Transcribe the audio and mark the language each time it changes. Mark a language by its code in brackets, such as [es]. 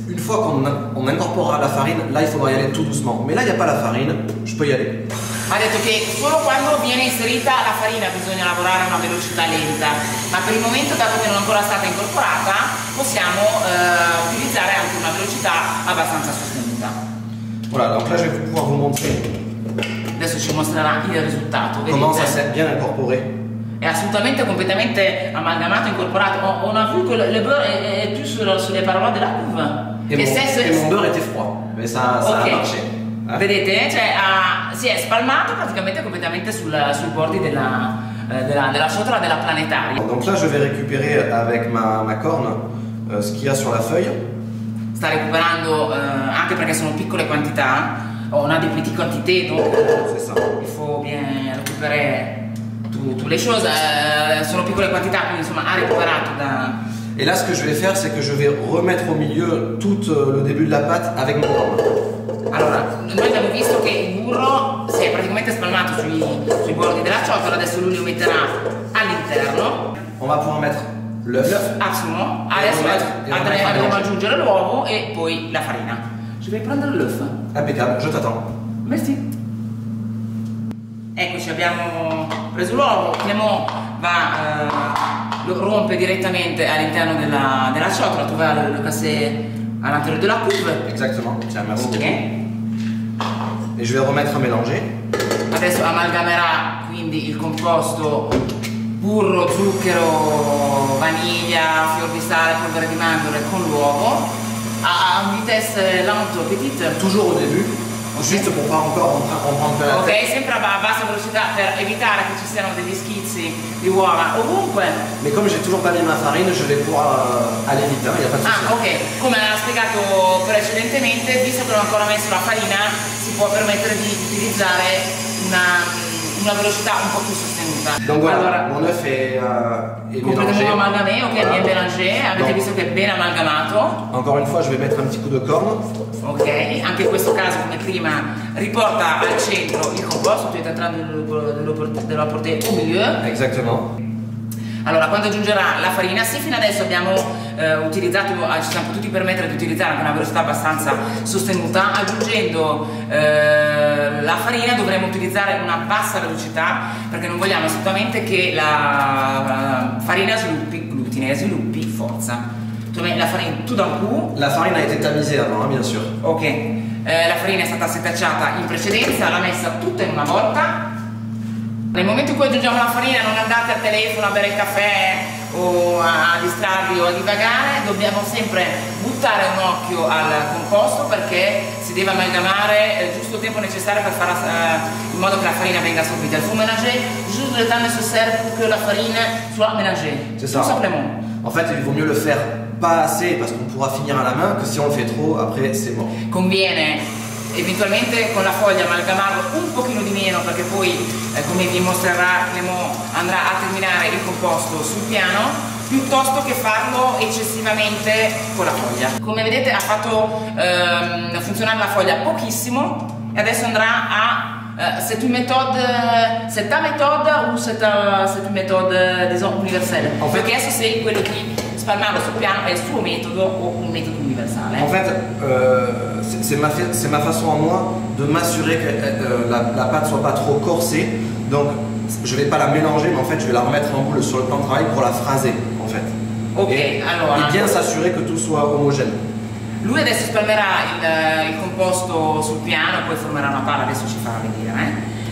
[fr] Une fois qu'on incorporera la farine, là il faudra y aller tout doucement. Mais là il n'y a pas la farine, je peux y aller. [it] Ha detto che solo quando viene inserita la farina bisogna lavorare a una velocità lenta, ma per il momento, dato che non è ancora stata incorporata, possiamo utilizzare anche una velocità abbastanza sostenuta. [fr] Voilà, donc là je vais pouvoir vous montrer. [it] Adesso ci mostrerà il risultato. [fr] Comment ça s'est bien incorporé? [it] È assolutamente completamente amalgamato, incorporato. [fr] On a vu que le beurre [it] è più sulle parole della cuve. [fr] Et mon beurre était froid, mais ça okay. A marché. [it] Vedete? Cioè, si è spalmato praticamente completamente sui bordi della ciotola della planetaria. [fr] Donc là je vais récupérer avec ma corne ce qu'il y a sur la feuille. [it] Sta recuperando anche perché sono piccole quantità, [fr] on a des petites quantités, donc il faut bien recuperer toutes les choses. [it] Sono piccole quantità, quindi insomma ha recuperato da. [fr] Et là, ce que je vais faire, c'est que je vais remettre au milieu tout le début de la pâte avec mon doigt. [it] Allora, noi abbiamo visto che il burro si è praticamente spalmato sui bordi della ciotola, adesso lui lo metterà all'interno. [fr] On va pouvoir mettre l'œuf. Absolument. [it] Adesso andremo ad aggiungere l'uovo e poi la farina. [fr] Je vais prendre l'œuf. Impeccable, je t'attends. Merci. [it] Eccoci, abbiamo preso l'uovo. Clément va, lo rompe direttamente all'interno della ciotola, tu vai alle casse. [fr] À l'intérieur de la coupe. Exactement, tiens, merci. Okay. Et je vais remettre à mélanger. [it] Adesso amalgamerà quindi il composto burro, zucchero, vaniglia, fior di sale, polvere di mandorle con l'uovo [fr] à une vitesse lente, petite. Toujours au début, okay. Juste pour pas encore rentrer la [it] tête. Ok, sempre a bassa velocità per evitare che ci siano degli schizzi di uova ovunque. [fr] Mais comme j'ai toujours pas mis ma farine, je vais pouvoir aller vite, hein, y a pas de soucis. Ah, ok. [it] Come ha spiegato precedentemente, visto che non ho ancora messo la farina, si può permettere di utilizzare una velocità un po' più sostenuta. [fr] Donc voilà, allora, mon œuf est mélangé. Completamente amalgamé, ok, voilà. Bien mélangé. [it] Avete donc, visto che è ben amalgamato. [fr] Encore une fois, je vais mettre un petit coup de corne. [it] Ok, anche in questo caso, come prima, riporta al centro il composto, tu stai entrando dello [fr] portée au milieu. Exactement. [it] Allora, quando aggiungerà la farina, sì, fino adesso abbiamo utilizzato, ci siamo potuti permettere di utilizzare anche una velocità abbastanza sostenuta, aggiungendo la farina dovremo utilizzare una bassa velocità, perché non vogliamo assolutamente che la farina sviluppi glutine, sviluppi forza. [fr] La farina, tout d'un coup. La farina è tamisée avant, bien sûr. [it] Ok, la farina è stata setacciata in precedenza, l'ha messa tutta in una volta. Nel momento in cui aggiungiamo la farina, non andate al telefono a bere il caffè o a distrarvi o a divagare, dobbiamo sempre buttare un occhio al composto perché si deve amalgamare giusto il tempo necessario per fare in modo che la farina venga assorbita. [fr] Il ménager, juste le temps nécessaire pour que la farine soit ménagée. C'est ça. Tout simplement. En fait, il vaut mieux le faire pas assez parce qu'on pourra finir à la main que si on le fait trop, après c'est mort. [it] Conviene eventualmente con la foglia amalgamarlo un pochino di meno perché poi, come vi mostrerà Clément, andrà a terminare il composto sul piano piuttosto che farlo eccessivamente con la foglia. Come vedete ha fatto funzionare la foglia pochissimo e adesso andrà a [fr] c'est une méthode, c'est ta méthode ou c'est une méthode disons universelle? [it] En fait, perché adesso sei quello che spalmarlo sul piano è il suo metodo o un metodo universale. [fr] En fait, c'est ma façon à moi de m'assurer que la pâte soit pas trop corsée. Donc je vais pas la mélanger, mais en fait je vais la remettre en boule sur le plan de travail pour la fraser en fait. Ok, et, allora. Et bien s'assurer que tout soit homogène. [it] Lui adesso spalmerà il composto sul piano, poi formerà una palla, adesso ci farà vedere.